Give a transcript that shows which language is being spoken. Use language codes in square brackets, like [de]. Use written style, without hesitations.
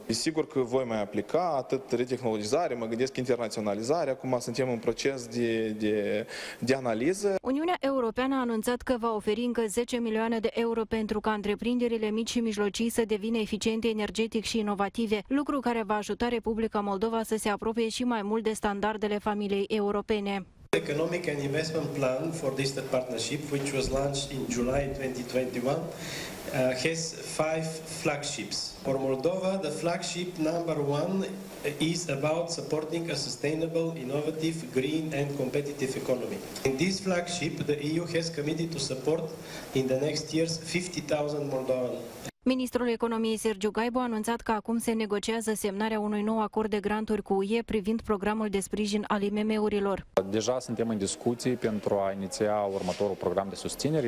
[ro] E sigur că voi mai aplica atât retehnologizare, mă gândesc internaționalizare, acum suntem în proces de analiză. Uniunea Europeană a anunțat că va oferi încă 10 milioane de euro pentru ca întreprinderile mici și mijlocii să devină eficiente energetic și inovative, lucru care va ajuta Republica Moldova să se apropie și mai mult de standardele familiei europene. [en] Economic and investment plan for this partnership, which was launched in July 2021, has 5 flagships. For Moldova, the flagship number 1 is about supporting a sustainable, innovative, green and competitive economy. In this flagship, the EU has committed to support in the next years 50,000 Moldovan. [ro] Ministrul Economiei Sergiu Gaibu a anunțat că acum se negociază semnarea unui nou acord de granturi cu UE privind programul de sprijin al IMM-urilor. Deja suntem în discuții pentru a iniția următorul program de susținere.